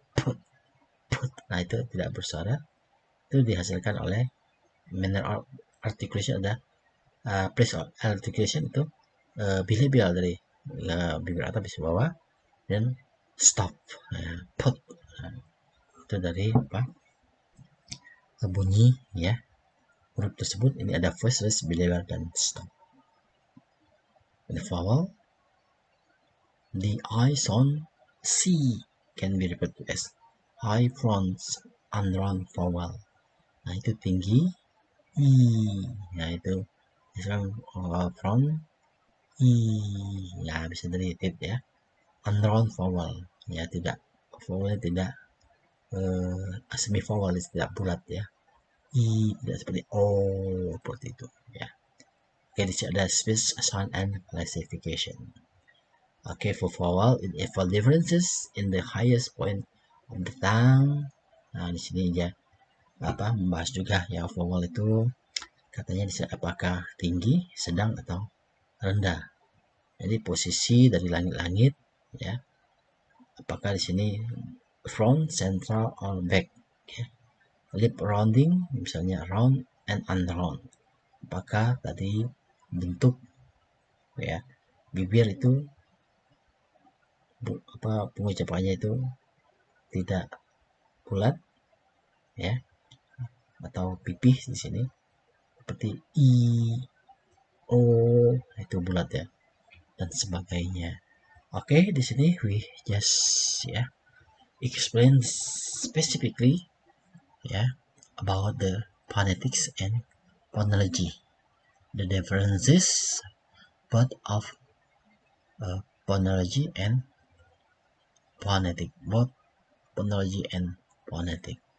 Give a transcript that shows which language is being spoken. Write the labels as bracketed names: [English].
[Indonesian] Put, put, nah itu tidak bersuara, itu dihasilkan oleh manner of articulation, ada place of articulation itu bilabial dari bibir atas, bibir bawah, dan stop, put, itu dari apa bunyi ya, huruf tersebut, ini ada voiceless, bilabial, dan stop. [English] The vowel, the I sound C can be referred to as high front undrawn vowel. [Indonesian] Nah, itu tinggi i. Nah, itu sekarang front i. Nah, bisa dilihat ya, undrawn vowel ya, tidak, vowelnya tidak semi vowel, tidak bulat ya, i tidak seperti o seperti itu ya. Oke, di sini ada speech sound and classification. [English] Okay, for vowel, it involves differences in the highest point of the tongue. [Indonesian] Nah, di sini ya, apa membahas juga ya, vowel itu katanya di sini apakah tinggi, sedang, atau rendah. Jadi posisi dari langit-langit ya, apakah di sini [English] front, central, or back. Okay. Lip rounding, [Indonesian] misalnya [English] round and unround. [Indonesian] Apakah tadi bentuk ya bibir itu apa pengucapannya itu tidak bulat ya, atau pipih di sini seperti i o itu bulat ya, dan sebagainya. Oke, di sini [English] we just ya explain specifically ya about the phonetics and phonology, the differences both of phonology and phonetic, both phonology and phonetic.